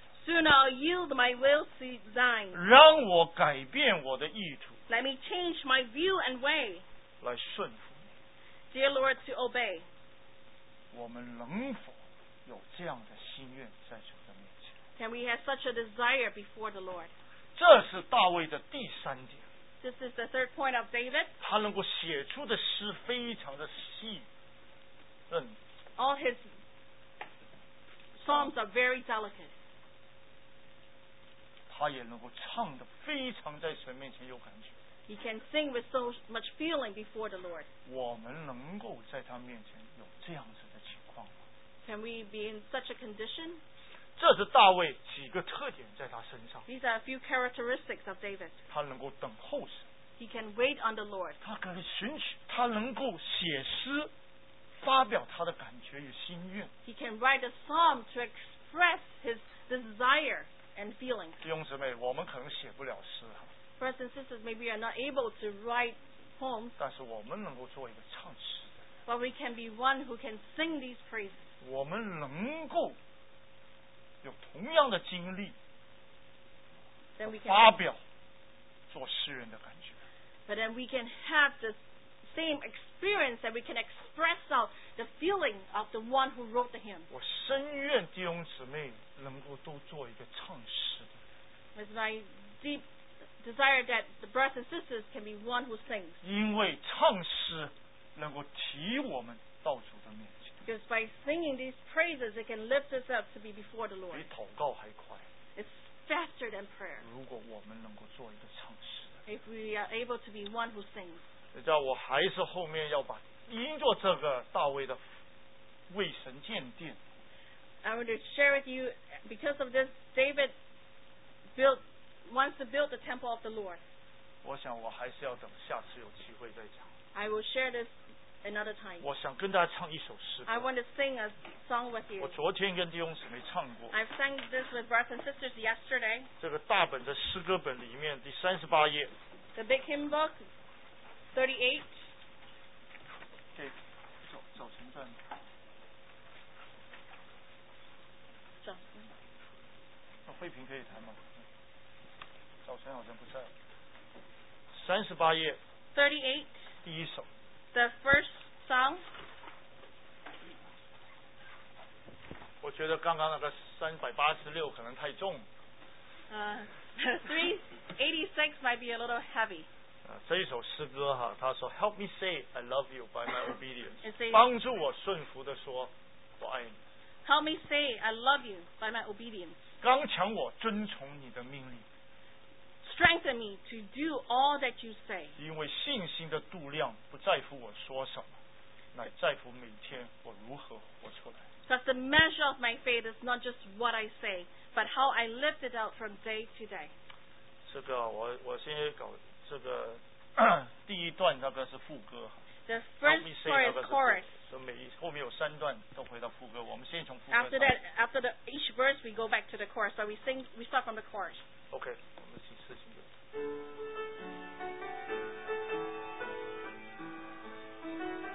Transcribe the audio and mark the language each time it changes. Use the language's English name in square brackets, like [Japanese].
[English] Soon I'll yield my will to thine. [Chinese] 让我改变我的意图。 [English] Let me change my view and way. [Chinese] 来顺服。 [English] Dear Lord, to obey. [Chinese] 我们能否有这样的心愿在主的面前？ [English] Can we have such a desire before the Lord? [Chinese] 这是大卫的第三点。 [English] This is the third point of David. [Chinese] 他能够写出的诗非常的细。 [English] All his psalms are very delicate. [Chinese] 他也能够唱得非常在神面前有感觉。 [English] He can sing with so much feeling before the Lord. [Chinese] 我们能够在他面前有这样子的情况吗？ [English] Can we be in such a condition? [Chinese] 这是大卫几个特点在他身上。 [English] These are a few characteristics of David. [Chinese] 他能够等候神。 [English] He can wait on the Lord. [Chinese] 他可以寻求，他能够写诗，发表他的感觉与心愿。 [English] He can write a psalm to express his desire. [Chinese] 弟兄姊妹，我们可能写不了诗哈。 [English] Brothers and sisters, maybe we are not able to write poems. [Chinese] 但是我们能够做一个唱诗的。 [English] But we can be one who can sing these praises. [Chinese] 我们能够有同样的经历， [English] then we can [Chinese] 发表做诗人的感觉。 [English] But then we can have the same experience that we can express out the feeling of the one who wrote the hymn. [Chinese] 我深愿弟兄姊妹。能够都做一个唱诗的。 [English] It's my deep desire that the brothers and sisters can be one who sings. [Chinese] 因为唱诗能够提我们到主的面前。 [English] Because by singing these praises, it can lift us up to be before the Lord. [Chinese] 比祷告还快。 [English] It's faster than prayer. [Chinese] 如果我们能够做一个唱诗的。 [English] If we are able to be one who sings. [Chinese] 你知道我还是后面要把因着这个大卫的为神建殿。 [English] I want to share with you because of this David built, wants to build the temple of the Lord. [Chinese] 我想我还是要等下次有机会再讲。 [English] I will share this another time. [Chinese] 我想跟大家唱一首诗歌。 [English] I want to sing a song with you. [Chinese] 我昨天跟弟兄姊妹唱过。 [English] I've sang this with brothers and sisters yesterday. [Chinese] 这个大本的诗歌本里面第38页。 [English] The big hymn book 38. [Chinese] 对，早晨赞美。慧萍可以弹吗？早晨好像不在。38页。 38。第一首。 [English] The first song。 [Chinese] 我觉得刚刚那个386可能太重。 [English] 386 might be a little heavy。 [Chinese] 这一首诗歌哈，他说 [English] ：“Help me say I love you by my obedience。 ” [Chinese] 帮助我顺服的说，我爱你。 [English] Help me say I love you by my obedience. [Chinese] 刚强我遵从你的命令。 [English] Strengthen me to do all that you say. [Chinese] 因为信心的度量不在乎我说什么，乃在乎每天我如何活出来。 [English] Because the measure of my faith is not just what I say, but how I live it out from day to day. [Chinese] 这个我先搞这个第一段那个是副歌。 [English] The first part is chorus. [Chinese] 后面有三段都回到副歌，我们先从副歌。 [English] After that, after the each verse, we go back to the chorus. So we sing, we start from the chorus. [Chinese] Okay, 我们请四星歌。